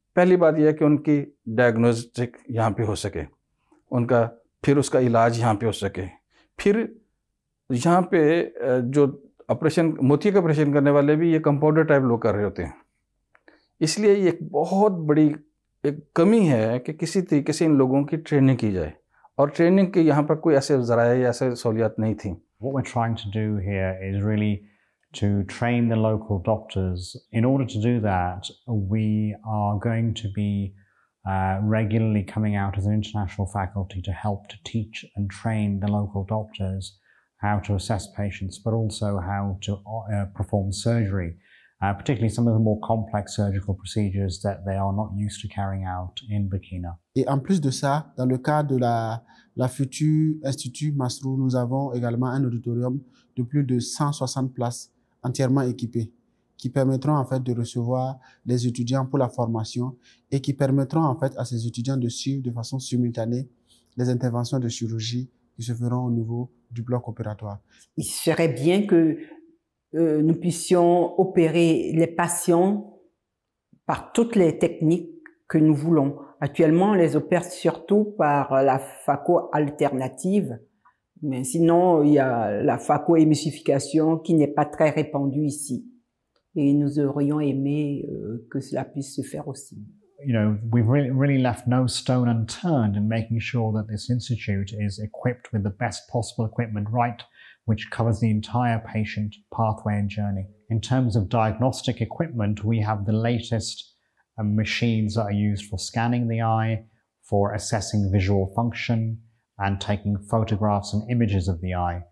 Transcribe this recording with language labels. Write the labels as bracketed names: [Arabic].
[Hindi] पहली बात यह कि उनकी डायग्नोस्टिक यहाँ पे हो सके, उनका फिर उसका इलाज यहाँ पे हो सके, फिर यहाँ पे जो ऑपरेशन मोतिया का ऑपरेशन करने वाले भी ये कंपाउंडर टाइप लोग कर रहे होते हैं, इसलिए ये बहुत बड़ी एक कमी है कि किसी तरीके से इन लोगों की ट्रेनिंग की जाए, और ट्रेनिंग के यहाँ पर कोई ऐसे जराए या ऐसे सहूलियत नहीं थी. [English] What we're trying to do here is really to train the local doctors. In order to do that, we are going to be regularly coming out as an international faculty to help to teach and train the local doctors how to assess patients, but also how to perform surgery, particularly some of the more complex surgical procedures that they are not used to carrying out in Burkina. [French] Et en plus de ça, dans le cadre de la future institut Masroor, nous avons également un auditorium de plus de 160 places entièrement équipé, qui permettront en fait de recevoir les étudiants pour la formation et qui permettront en fait à ces étudiants de suivre de façon simultanée les interventions de chirurgie qui se feront au niveau du bloc opératoire. Il serait bien que nous puissions opérer les patients par toutes les techniques que nous voulons. Actuellement, on les opère surtout par la phaco alternative, mais sinon, il y a la phaco émulsification qui n'est pas très répandue ici. Et nous aurions aimé que cela puisse se faire aussi. [English] You know, we've really left no stone unturned in making sure that this institute is equipped with the best possible equipment, right, which covers the entire patient pathway and journey. In terms of diagnostic equipment, we have the latest machines that are used for scanning the eye, for assessing visual function, and taking photographs and images of the eye.